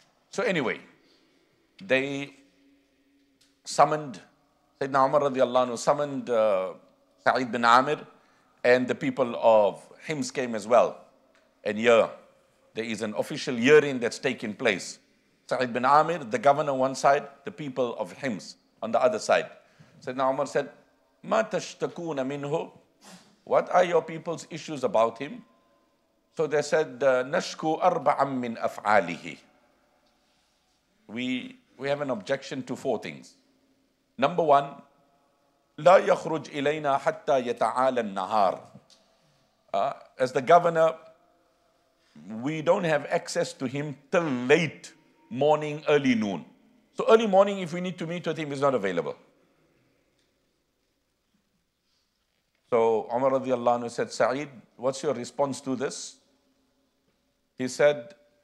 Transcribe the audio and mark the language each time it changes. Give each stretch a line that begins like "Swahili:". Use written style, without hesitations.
English: So anyway, they summoned, Sayyidina Umar radiallahu anhu summoned Sa'id bin Amir, and the people of Hims came as well. And here, there is an official hearing that's taking place. Sa'id bin Amir, the governor on one side, the people of Hims on the other side. Sayyidina Umar said,
Arabic: ما تشتكون منه?
English: What are your people's issues about him? So they said,
Arabic: نشكو أربعا من أفعاله.
English: We have an objection to four things. Number one,
Arabic: لا يخرج إلينا حتى يتعالى النهار.
English: As the governor, we don't have access to him till late morning, early noon. So early morning, if we need to meet with him, he's not available. So Umar radiallahu anhu said, Sa'id, what's your response to this? He said,